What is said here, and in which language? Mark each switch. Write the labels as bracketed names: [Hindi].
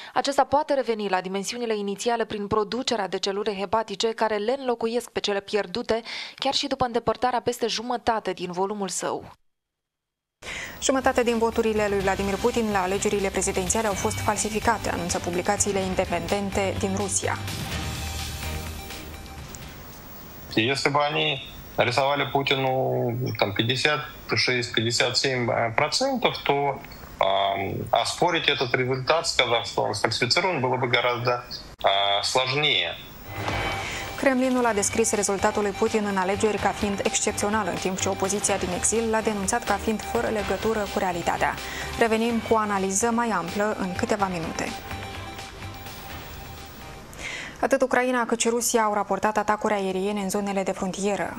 [Romanian] Acesta poate reveni la dimensiunile inițiale prin producerea de celule hepatice care le înlocuiesc pe cele pierdute, chiar și după îndepărtarea peste jumătate din volumul său. Jumătate din voturile lui Vladimir Putin la alegerile prezidențiale au fost falsificate, anunță publicațiile independente din Rusia. [Russian] Если бы они нарисовали Путину там 56-57%, то оспорить этот результат, сказав, что он сфальсифицирован, было бы гораздо сложнее. [Romanian] Kremlinul a descris rezultatul lui Putin în alegeri ca fiind excepțional, în timp ce opoziția din exil l-a denunțat ca fiind fără legătură cu realitatea. Revenim cu o analiză mai amplă în câteva minute. Atât Ucraina cât și Rusia au raportat atacuri aeriene în zonele de frontieră.